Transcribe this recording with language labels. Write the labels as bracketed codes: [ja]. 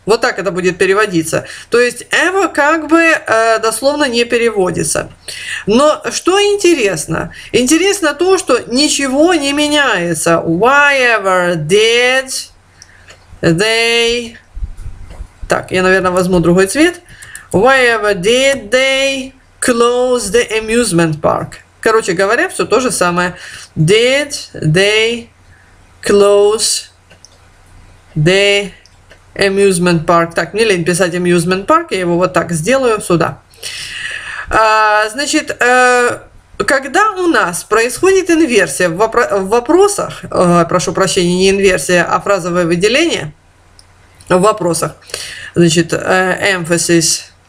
[ru] Вот так это будет переводиться. То есть ever как бы дословно не переводится. Но что интересно? Интересно то, что ничего не меняется. [en] Why ever did they? [ru] Так, я, наверное, возьму другой цвет. [en] Why ever did they close the amusement park? [ru] Короче говоря, все то же самое. [en] Did they close the amusement park? [ru] Так, мне лень писать [en] amusement park, [ru] я его вот так сделаю сюда. Значит, когда у нас происходит инверсия в вопросах, прошу прощения, не инверсия, а фразовое выделение в вопросах, значит, emphasis.